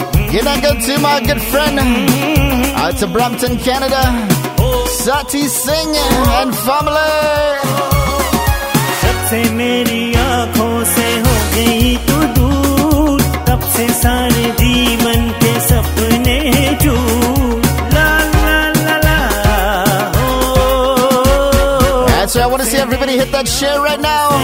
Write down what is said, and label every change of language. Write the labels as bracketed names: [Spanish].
[English] Gonna go to my good friend out to Brampton, Canada, Sati Singh and family. [Hindi] जब से मेरी आँखों से हो गई तू दूर, तब से सारे जीवन के सपने चूर। La la la la, oh. [English] Actually, I want to see everybody hit that share right now.